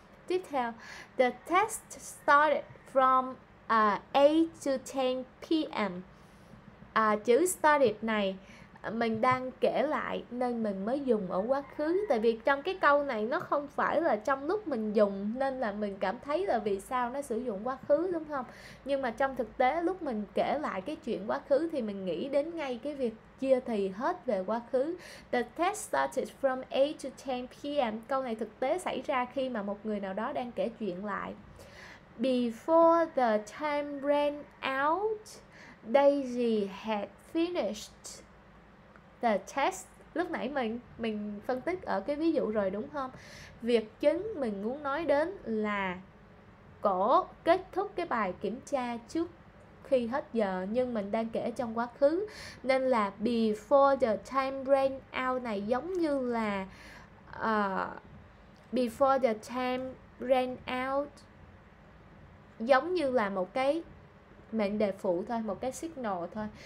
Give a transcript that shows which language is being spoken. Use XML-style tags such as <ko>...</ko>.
<vi>Tiếp theo,</vi> <en>the test started from 8 to 10 p.m.</en> <vi>Chữ started này mình đang kể lại nên mình mới dùng ở quá khứ. Tại vì trong cái câu này nó không phải là trong lúc mình dùng, nên là mình cảm thấy là vì sao nó sử dụng quá khứ đúng không? Nhưng mà trong thực tế lúc mình kể lại cái chuyện quá khứ thì mình nghĩ đến ngay cái việc chia thì hết về quá khứ.</vi> <en>The test started from 8 to 10 p.m.</en> <vi>Câu này thực tế xảy ra khi mà một người nào đó đang kể chuyện lại.</vi> <en>Before the time ran out, Daisy had finished the test.</en> <vi>Lúc nãy mình phân tích ở cái ví dụ rồi đúng không? Việc chính mình muốn nói đến là cổ kết thúc cái bài kiểm tra trước khi hết giờ nhưng mình đang kể trong quá khứ. Nên là</vi> <en>before the time ran out</en> <vi>này giống như là before the time ran out giống như là một cái mệnh đề phụ thôi, một cái signal thôi.</vi>